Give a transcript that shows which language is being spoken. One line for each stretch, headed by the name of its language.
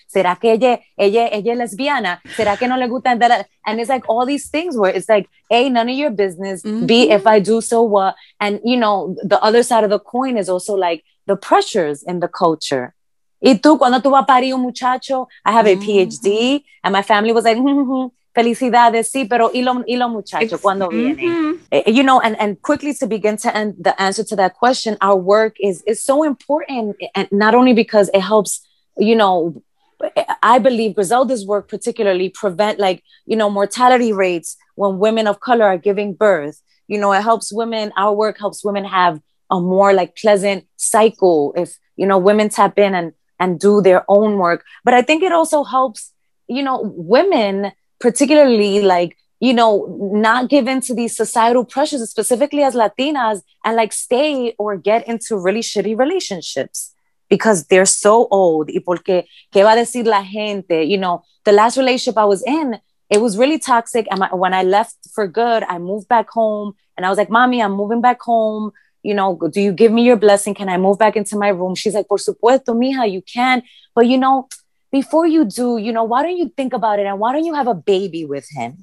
Spanish: ¿Será que ella es lesbiana? ¿Será que no le gusta andar?
English: And it's like all these things where it's like, A, none of your business. Mm-hmm. B, if I do, so what? And, you know, the other side of the coin is also like the pressures in the culture.
Spanish: ¿Y tú, cuando tú vas a parir un muchacho?
English: I have a PhD. And my family was like,
Spanish: felicidades, sí, pero y lo muchacho, ¿cuándo viene?
English: You know, and quickly to begin to end the answer to that question, our work is so important, and not only because it helps, you know, I believe Griselda's work particularly prevent, like, you know, mortality rates when women of color are giving birth. You know, it helps women, our work helps women have a more like pleasant cycle if, you know, women tap in and do their own work. But I think it also helps, you know, women particularly, like, you know, not give in to these societal pressures, specifically as Latinas, and like stay or get into really shitty relationships because they're so old.
Spanish: Y porque, ¿qué va a decir la gente?
English: You know, the last relationship I was in, it was really toxic. And when I left for good, I moved back home and I was like, mommy, I'm moving back home. You know, do you give me your blessing? Can I move back into my room? She's like,
Spanish: por supuesto, mija,
English: you can. But, you know, before you do, you know, why don't you think about it? And why don't you have a baby with him?